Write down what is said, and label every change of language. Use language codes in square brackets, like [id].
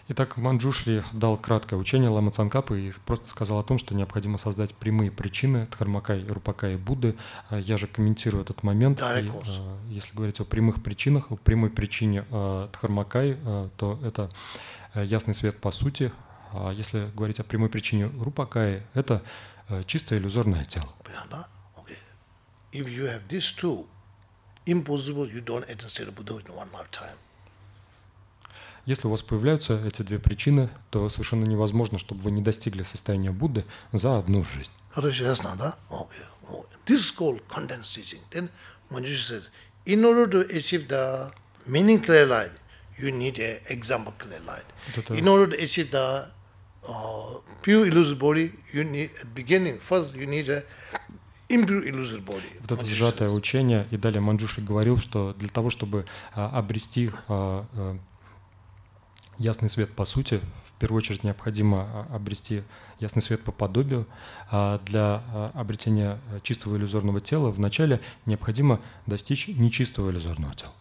[ru] Итак, Манджушри дал краткое учение Лама Цанкапы и просто сказал о том, что необходимо создать прямые причины Дхармакаи, Рупакаи, Будды. Я же комментирую этот момент. И, если говорить о прямых причинах, о прямой причине Дхармакаи, то это ясный свет по сути. А если говорить о прямой причине Рупакаи, это чистое иллюзорное тело. [en] Okay. If you have these two, impossible you don't enter state of Buddha in one lifetime. [ru] Если у вас появляются эти две причины, то совершенно невозможно, чтобы вы не достигли состояния Будды за одну жизнь. Хорошо, ясно, да? [en] Okay. This is called condensed teaching. Then Manjushri says, in order to achieve the meaning clear light, you need an example clear light. In order to achieve the pure illusory body, you need at beginning, first you need a impure illusory body. [ru] Вот это сжатое учение. И далее Манджушри говорил, что для того, чтобы обрести ясный свет по сути, в первую очередь необходимо обрести ясный свет по подобию. Для обретения чистого иллюзорного тела вначале необходимо достичь нечистого иллюзорного тела.